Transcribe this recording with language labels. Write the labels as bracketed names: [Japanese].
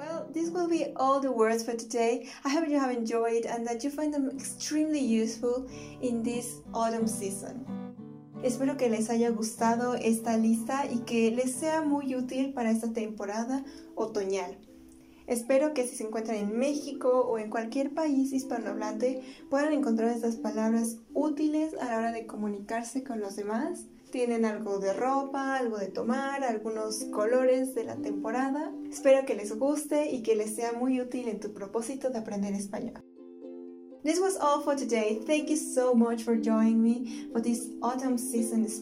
[English] This will be all the words for today. I hope you have enjoyed and that you find them extremely useful in this autumn season. [Spanish] Espero que les haya gustado esta lista y que les sea muy útil para esta temporada otoñal. Espero que si se encuentran en México o en cualquier país hispanohablante puedan encontrar estas palabras útiles a la hora de comunicarse con los demás. Tienen algo de ropa, algo de tomar, algunos colores de la temporada. Espero que les guste y que les sea muy útil en tu propósito de aprender español. [English] This was all for today. Thank you so much for joining me for this autumn season special. I hope you have learned something new today.